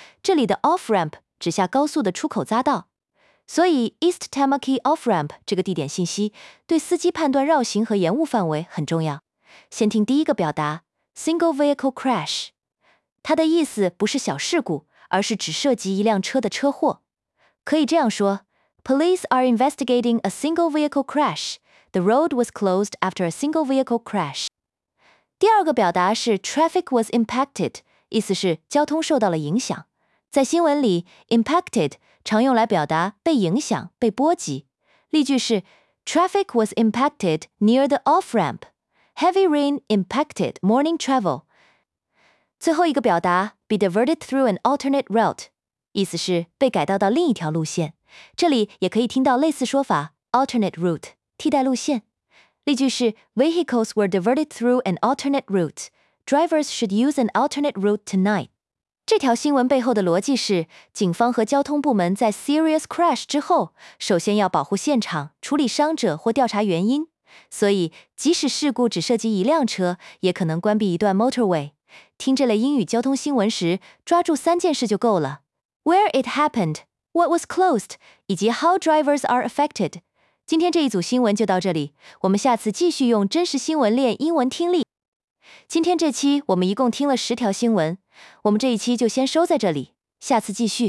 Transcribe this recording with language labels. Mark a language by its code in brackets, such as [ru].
[zh] 这里的 off-ramp 指下高速的出口匝道。所以 East Tamaki Off-Ramp 这个地点信息对司机判断绕行和延误范围很重要。先听第一个表达 Single Vehicle Crash。它的意思不是小事故，而是只涉及一辆车的车祸。可以这样说 [en] Police are investigating a single vehicle crash. The road was closed after a single vehicle crash. [zh] 第二个表达是 [en] Traffic was impacted, [zh] 意思是交通受到了影响。在新闻里 ,impacted,常用来表达被影响、被波及。 [en] 例句是 Traffic was impacted near the off-ramp. Heavy rain impacted morning travel. [zh] 最后一个表达 [en] be diverted through an alternate route, [zh] 意思是被改道到另一条路线。这里也可以听到类似说法 alternate route, 替代路线。 [en] 例句是 Vehicles were diverted through an alternate route. Drivers should use an alternate route tonight. [zh] 这条新闻背后的逻辑是警方和交通部门在 serious crash 之后首先要保护现场处理伤者或调查原因。所以即使事故只涉及一辆车也可能关闭一段 motorway。听这类英语交通新闻时抓住三件事就够了。 [en] Where it happened, what was closed, 以及 how drivers are affected。 [zh] 今天这一组新闻就到这里，我们下次继续用真实新闻练英文听力。今天这期我们一共听了10条新闻。我们这一期就先收在这里，下次继续。